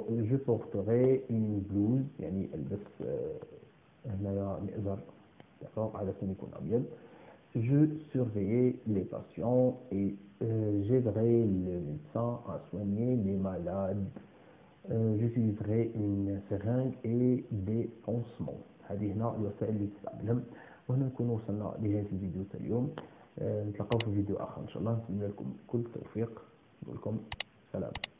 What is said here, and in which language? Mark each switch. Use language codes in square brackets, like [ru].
[fr] Je porterai une blouse, [ar] يعني البس هنا الازرق، [fr] d'accord، [ar] على سن يكون ابيض. [fr] Je surveillerai les patients et j'aiderai le médecin à soigner les malades. J'utiliserai une seringue et des pansements. [ar] هذه هنا الوسائل اللي تستعملهم. وهنا نكون وصلنا لنهاية الفيديو تاع اليوم. نتلقاو في فيديو آخر إن شاء الله. نتمنى لكم كل التوفيق، نقول لكم سلام.